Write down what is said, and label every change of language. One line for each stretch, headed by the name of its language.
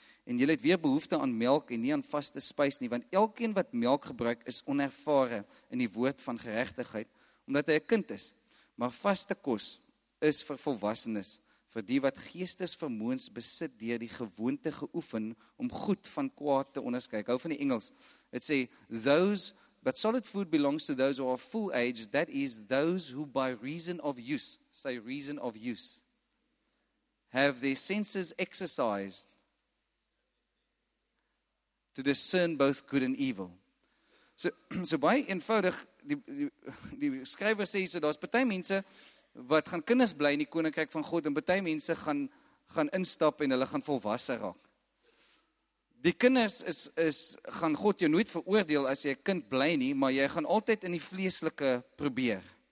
Afrikaans: En julle het weer behoefte aan melk en nie aan vaste spys nie, want elkeen wat melk gebruik is onervare in die woord van geregtigheid, omdat hy 'n kind is. Maar vaste kos is vir volwassenes, vir die wat geestesvermoëns besit deur die gewoonte geoefen om goed van kwaad te onderskei. Hou van die Engels.
English: It sê, those, but solid food belongs to those who are full age, that is those who by reason of use, say reason of use, have their senses exercised to discern both good and evil.
Afrikaans: So baie eenvoudig, die skrywer sê, so daar's party mense wat gaan kinders bly in die koninkryk van God en baie mense gaan instap en hulle gaan volwasse raak. Die kinders is gaan God jou nooit veroordeel as jy 'n kind bly nie, maar jy gaan altyd in die vleeslike probeer.